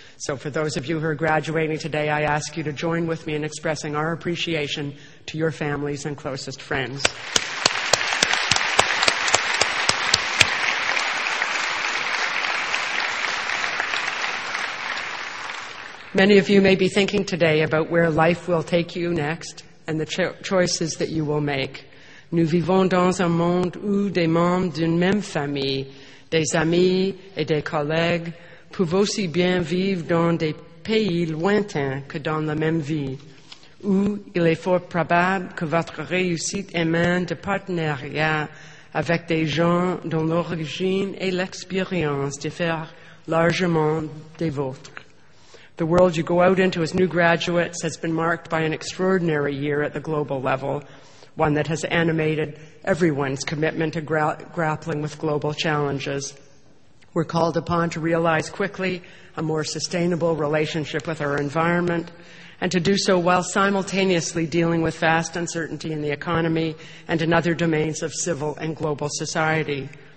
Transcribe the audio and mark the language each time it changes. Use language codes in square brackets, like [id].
[en] So for those of you who are graduating today, I ask you to join with me in expressing our appreciation to your families and closest friends. Many of you may be thinking today about where life will take you next and the choices that you will make. [fr] Nous vivons dans un monde où des membres d'une même famille, des amis et des collègues, peuvent aussi bien vivre dans des pays lointains que dans la même ville, où il est fort probable que votre réussite émane de partenariats avec des gens dont l'origine et l'expérience diffèrent largement des vôtres. [en] The world you go out into as new graduates has been marked by an extraordinary year at the global level, one that has animated everyone's commitment to grappling with global challenges. We're called upon to realize quickly a more sustainable relationship with our environment, and to do so while simultaneously dealing with vast uncertainty in the economy and in other domains of civil and global society.